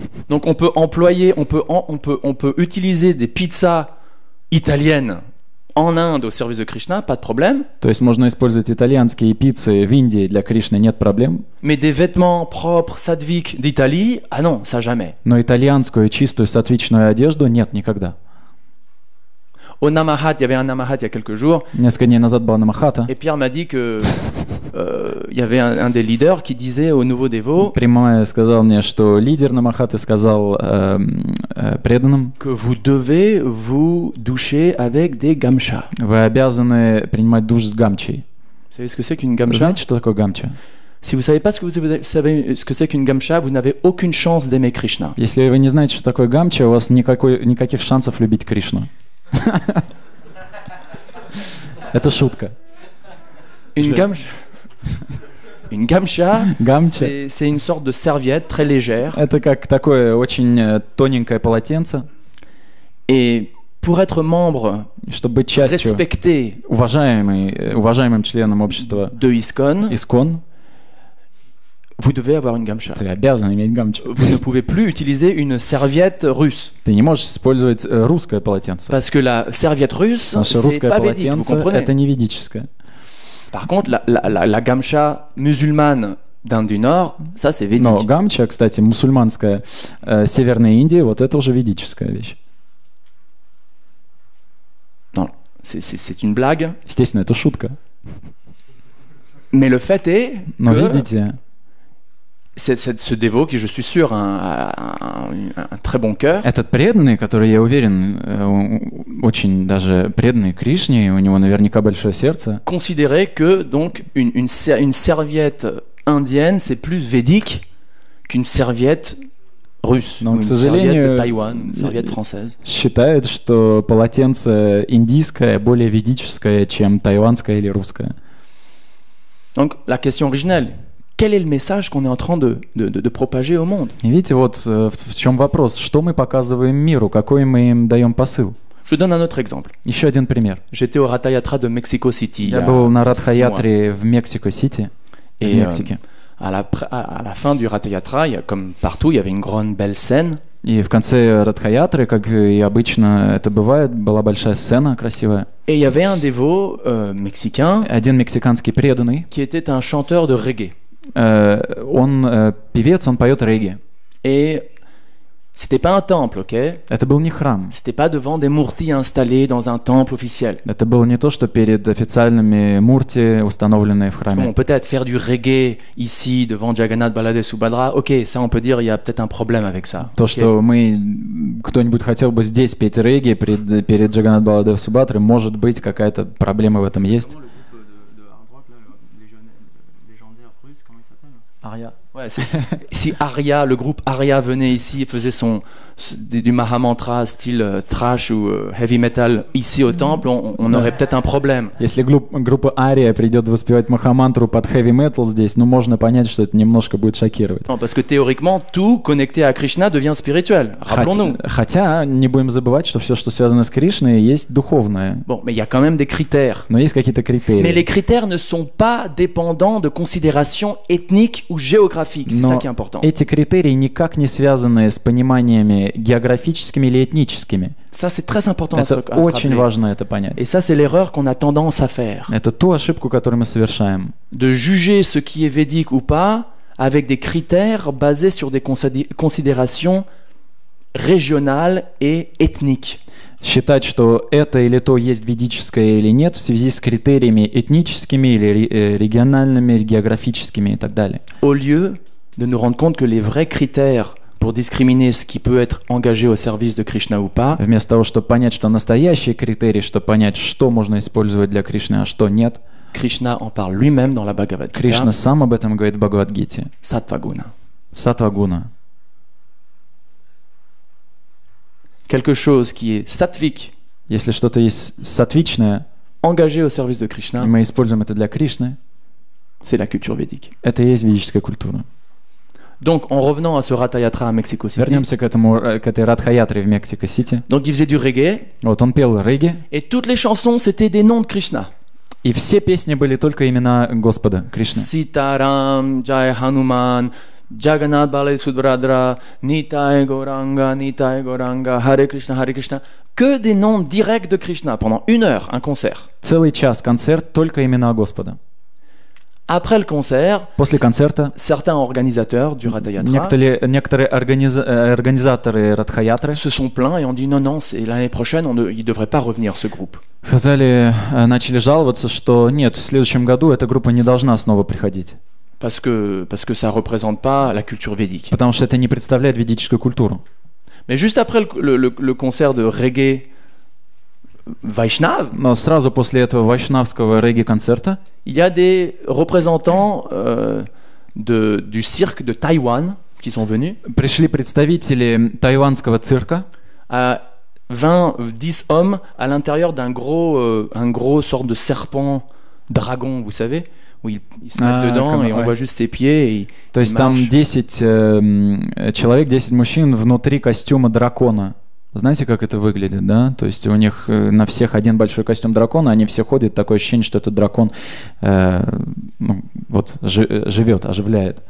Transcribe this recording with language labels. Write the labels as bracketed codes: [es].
[fr] Donc on peut utiliser des pizzas italiennes en Inde au service de Krishna, pas de problème. [ru] То есть можно использовать итальянские пиццы в Индии для Кришны, нет проблем. [fr] Mais des vêtements propres sattvic d'Italie, ah non, ça jamais. [ru] Но итальянскую чистую сатвичную одежду нет никогда. [fr] Au Namahat, il y avait un Namahat il y a quelques jours. [ru] Несколько дней назад была Намахата. [fr] Et Pierre m'a dit que il y avait un des leaders qui disait au nouveau dévot. [ru] Прямая сказал мне, что лидер Намахаты сказал преданным, [fr] que vous devez vous doucher avec des гамча. [ru] Вы обязаны принимать душ с гамчей. [fr] Vous savez ce que c'est qu'une гамча? [ru] Знаете, что такое гамча? [fr] Si vous savez pas ce que c'est qu'une гамча, vous n'avez aucune chance d'aimer Krishna. [ru] Если вы не знаете, что такое гамча, у вас никаких шансов любить Кришну. Это шутка. [fr] Une гамча, c'est une sorte de serviette très légère. [ru] Это как такое очень тоненькое полотенце. [fr] Et pour être membre, [ru] чтобы быть частью, [fr] respecté, [ru] уважаемым членом общества [fr] de ISKCON, [ru] ISKCON, [fr] vous devez avoir une гамча. [ru] Ты обязан иметь гамчу. [fr] Vous ne pouvez plus utiliser une serviette russe. [ru] Ты не можешь использовать русское полотенце. [fr] Parce que la serviette russe, c'est [ru] русское [fr] pas [ru] полотенце, [fr] védique, vous comprenez? [ru] Это не ведическое. [fr] Par contre, la гамча musulmane d'Inde du Nord, ça c'est védique. [ru] Но гамча, кстати, мусульманская Северной Индии, вот это уже ведическая вещь. [fr] Non, c'est une blague. [ru] Естественно, это шутка. [fr] Mais le fait est [ru] Но [fr] que [ru] видите, [fr] ce dévot qui, je suis sûr, a un très bon cœur. [ru] Этот преданный, который, я уверен, очень даже преданный Кришне, у него наверняка большое сердце. [fr] Considérer que donc une serviette indienne, c'est plus védique qu'une serviette russe, donc, une serviette de Taïwan, une serviette française. [ru] Считает, что полотенце индийское более ведическое, чем тайванское или русское. [fr] Donc la question originelle. Quel est le message qu'on est en train de propager au monde? [ru] И видите, вот в чем вопрос. Что мы показываем миру? Какой мы им даем посыл? [fr] Je donne un autre exemple. [ru] Еще один пример. [fr] J'étais au Ratayatra de Mexico City. [ru] Я был на Ратхаятре в Мексико Сити. [fr] Et à la fin du Ratayatra, comme partout, il y avait une grande belle scène. [ru] И в конце Ратхаятры, как и обычно это бывает, была большая сцена красивая. [fr] Et il y avait un dévot mexicain. [ru] Один мексиканский преданный. [fr] Qui était un chanteur de reggae. [ru] Он певец, он поет регги. [fr] Et c'était pas un temple, okay? [ru] Это был не храм. [fr] C'était pas devant des murtis installés dans un temple officiel. [ru] Это было не то, что перед официальными мурти, установленные в храме. [fr] Bon, peut-être faire du reggae ici devant Jagannath Balade Subhadra. OK, ça on peut dire, il y a peut-être un problème avec ça. [ru] То, okay? Что мы кто-нибудь хотел бы здесь петь регги перед Jagannath Balade Subhadra, может быть, какая-то проблема в этом есть. [fr] Aria. Ouais, si Aria, le groupe Aria venait ici et faisait du Mahamantra style thrash ou heavy metal ici au temple, on aurait peut-être un problème. [ru] Если группа Aria придёт воспевать Махамантру под heavy metal здесь, ну можно понять, что это немножко будет шокировать. [fr] Non, parce que théoriquement tout connecté à Krishna devient spirituel. Rappelons-nous. [ru] Хотя не будем забывать, что всё, что связано с Кришной, есть духовное. [fr] Bon, mais il y a quand même des critères. [ru] Но есть какие-то критерии. [fr] Mais les critères ne sont pas dépendants de considérations ethniques ou géographiques, c'est [ru] Но [fr] ça qui est important. [ru] Эти критерии никак не связаны с пониманиями географическими или этническими. [fr] Ça, c'est très important [ru] это очень важно это понять. [fr] Et ça, c'est l'erreur qu'on a tendance à faire. [ru] Это ту ошибку, которую мы совершаем. [fr] De juger ce qui est védique ou pas avec des critères basés sur des considérations régionales et ethniques. [ru] Считать, что это или то есть ведическое или нет в связи с критериями этническими или региональными, географическими и так далее. [fr] Au lieu de nous rendre compte que les vrais critères pour discriminer ce qui peut être engagé au service de Krishna ou pas. [ru] Вместо того, чтобы понять, что настоящие критерии, чтобы понять, что можно использовать для Кришны, а что нет. [fr] Кришна en parle lui-même dans la Bhagavad Gita. [ru] Кришна сам об этом говорит в Бхагавад-гите. Сатвагуна. Сатвагуна. [fr] Quelque chose qui est сатвике. [ru] Если что-то есть сатвичное, [fr] engagé au service de Krishna. [ru] Мы используем это для Кришны. [fr] C'est la culture védique. [ru] Это и есть ведическая культура. [fr] Donc, en revenant à ce Ratayatra à Mexico City. [ru] Вернемся к этой Ратхаятре в Мексико Сити. [fr] Donc, il faisait du reggae. [ru] Вот он пел регги. [fr] Et toutes les chansons c'était des noms de Krishna. [ru] И все песни были только имена Господа Кришны. [sa] Sitaram, Jai Hanuman, Jagannath Balade Subhadra, Nitai Goranga, Nitai Goranga, Hare Krishna, Hare Krishna. [fr] Que des noms directs de Krishna pendant une heure, un concert. [ru] Целый час концерт только имена Господа. [fr] Après le concert, [ru] после концерта, [fr] certains organisateurs du Ratayatra, [ru] некоторые организаторы Ратхаятры, [fr] se sont plaints et ont dit non, c'est l'année prochaine, ils devraient pas revenir ce groupe. [ru] Сказали, начали жаловаться, что нет, в следующем году эта группа не должна снова приходить. [fr] Parce que ça représente pas la culture védique. [ru] Потому что это не представляет ведическую культуру. [fr] Mais juste après le concert de reggae Vaishnav, [ru] но сразу после этого вайшнавского регги-концерта, [fr] il y a des représentants du cirque de Taïwan qui sont venus. [ru] Пришли представители тайванского цирка. [fr] 20-10 hommes à l'intérieur d'un gros sorte de serpent dragon, vous savez, où il se met dedans et on voit juste ses pieds. Et [ru] то есть там 10 человек, 10 мужчин внутри костюма дракона. Знаете, как это выглядит, да? То есть у них на всех один большой костюм дракона, они все ходят, такое ощущение, что этот дракон вот живет, оживляет.